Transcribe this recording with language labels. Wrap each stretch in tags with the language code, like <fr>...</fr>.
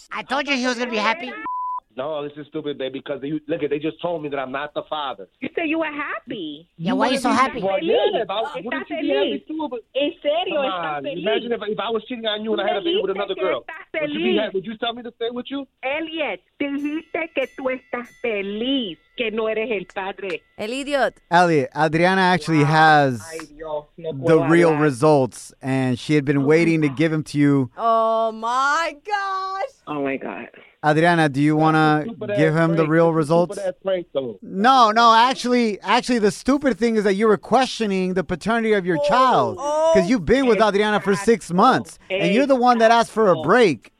<en>I told you he was going to be happy. No, this is stupid, baby, because they just told me that I'm not the father. You said you were happy. Yeah, why are you so happy? Well, yeah, if I was imagine if I was cheating on you and I had a baby with another girl. Would you tell me to stay with you?</en> <es>Elliot, dijiste que tú estás feliz, que no eres el padre.</es> <en>El idiot. Elliot, Adriana actually has the real results, and she had been waiting to give them to you. Oh, my gosh. Oh, my God. Adriana, do you want to give him the real results? No, no. Actually, the stupid thing is that you were questioning the paternity of your child because you've been with Adriana for 6 months, and you're the one that asked for a break.</en>